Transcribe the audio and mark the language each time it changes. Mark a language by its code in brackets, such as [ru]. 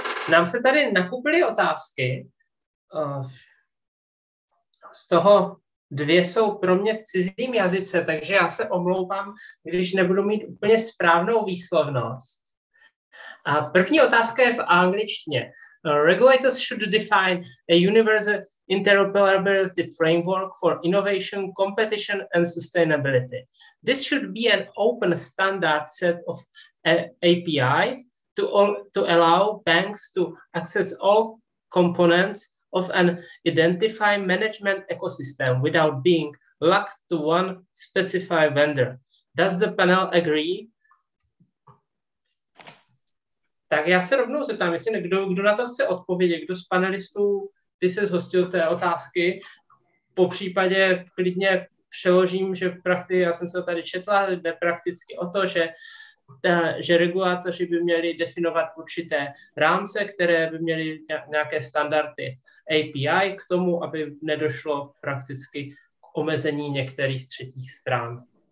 [cs] Nám se tady nakupily otázky. Z toho dvě jsou pro mě v cizím jazyce, takže já se omlouvám, když nebudu mít úplně správnou výslovnost. A první otázka je v angličtině. [en] Regulators should define a universal interoperability framework for innovation, competition and sustainability. This should be an open standard set of API to allow banks to access all components of an identity management ecosystem without being locked to one specified vendor. Does the panel agree? [cs] Tak já se rovnou zeptám, jestli kdo na to chce odpovědět, kdo z panelistů by se zhostil té otázky, po případě klidně přeložím, že prakticky, já jsem se to tady četla, jde prakticky o to, že regulátoři by měli definovat určité rámce, které by měly nějaké standardy API k tomu, aby nedošlo prakticky k omezení některých třetích stran.